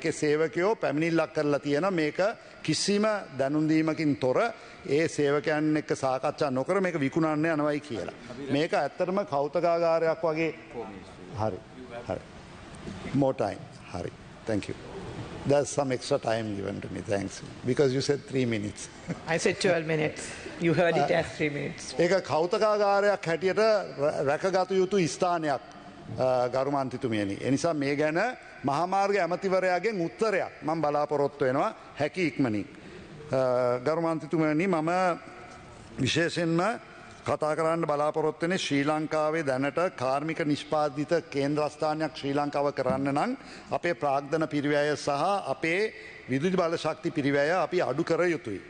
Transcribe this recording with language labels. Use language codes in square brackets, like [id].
[si] ඒකේ සේවකයෝ පැමිණිල්ලක් කරලා තියෙන මේක කිසිම දැනුම්දීමකින් තොර ඒ සේවකයන් එක්ක සාකච්ඡා නොකර මේක විකුණන්න යනවයි කියලා. මේක ඇත්තටම කෞතුකාගාරයක් වගේ. හරි හරි more time. [en] හරි thank you. There's some extra time given to me, thanks. Because you said 3 minutes. I said 12 minutes. You heard it as 3 minutes. [si] ඒක කෞතුකාගාරයක් හැටියට රැකගත යුතු ස්ථානයක් ගරුමන්තිතුමියනි. එනිසා මේ ගැන මහමාර්ග ඇමතිවරයාගෙන් උත්තරයක් මම බලාපොරොත්තු වෙනවා හැකි ඉක්මනින්. ගරුමන්තිතුමියනි මම විශේෂයෙන්ම කතා කරන්න බලාපොරොත්තු වෙන්නේ ශ්‍රී ලංකාවේ දැනට කාර්මික නිෂ්පාදිත කේන්ද්‍රස්ථානයක් ශ්‍රී ලංකාව කරන්න නම් අපේ ප්‍රාග්ධන පිරිවැය සහ අපේ විදුලි බල ශක්ති පිරිවැය අපි අඩු කර යුතුයි.